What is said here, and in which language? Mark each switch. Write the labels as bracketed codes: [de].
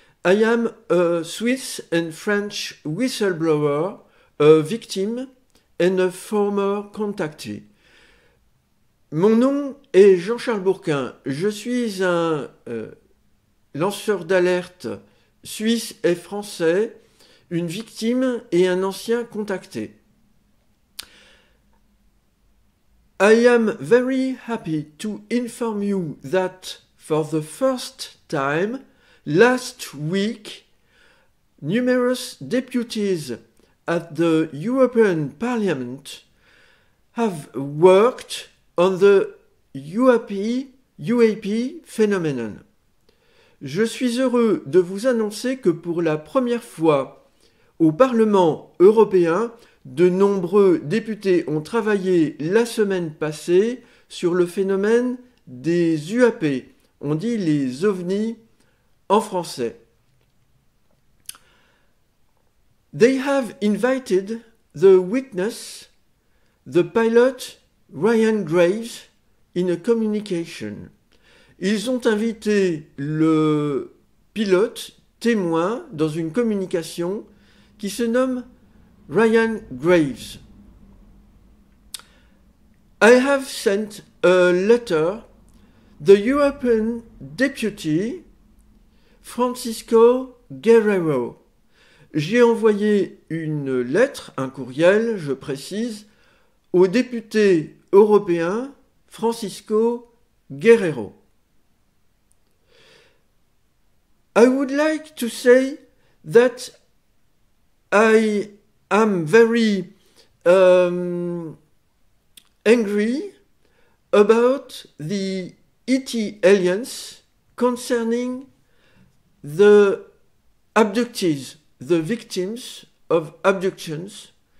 [en] I am a Swiss and French whistleblower, a victim and a former contactee. [fr] Mon nom est Jean-Charles Bourquin. Je suis un lanceur d'alerte suisse et français, une victime et un ancien contacté. [en] I am very happy to inform you that for the first time, last week, numerous deputies at the European Parliament have worked on the UAP phenomenon. [fr] Je suis heureux de vous annoncer que pour la première fois au Parlement européen, de nombreux députés ont travaillé la semaine passée sur le phénomène des UAP, on dit les ovnis en français. [en] They have invited the witness, the pilot Ryan Graves, in a communication. [fr] Ils ont invité le pilote témoin dans une communication qui se nomme Ryan Graves. [en] I have sent a letter to the European Deputy Francisco Guerrero. [fr] J'ai envoyé une lettre, un courriel, je précise, au député européen Francisco Guerrero. [en] I would like to say that I am very angry about the ET aliens concerning the abductees, the victims of abductions.